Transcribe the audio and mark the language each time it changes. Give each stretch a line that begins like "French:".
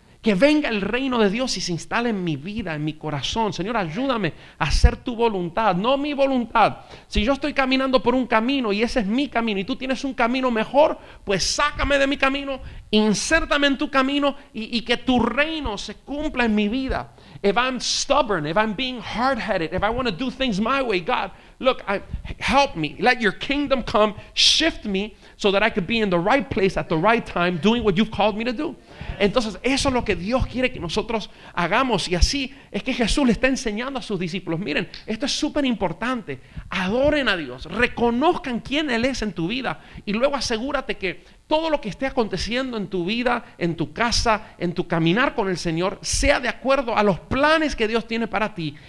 Spanish: Que venga el reino de Dios y se instale en mi vida, en mi corazón. Señor, ayúdame a hacer tu voluntad, no mi voluntad. Si yo estoy caminando por un camino y ese es mi camino y tú tienes un camino mejor, pues sácame de mi camino, insértame en tu camino y que tu reino se cumpla en mi vida.
English: If I'm stubborn, if I'm being hard-headed, if I want to do things my way, God, look, help me. Let your kingdom come, shift me so that I could be in the right place at the right time doing what you've called me to do.
Spanish: Entonces, eso es lo que Dios quiere que nosotros hagamos. Y así es que Jesús le está enseñando a sus discípulos. Miren, esto es súper importante. Adoren a Dios. Reconozcan quién Él es en tu vida. Y luego asegúrate que todo lo que esté aconteciendo en tu vida, en tu casa, en tu caminar con el Señor, sea de acuerdo a los planes que Dios tiene para ti.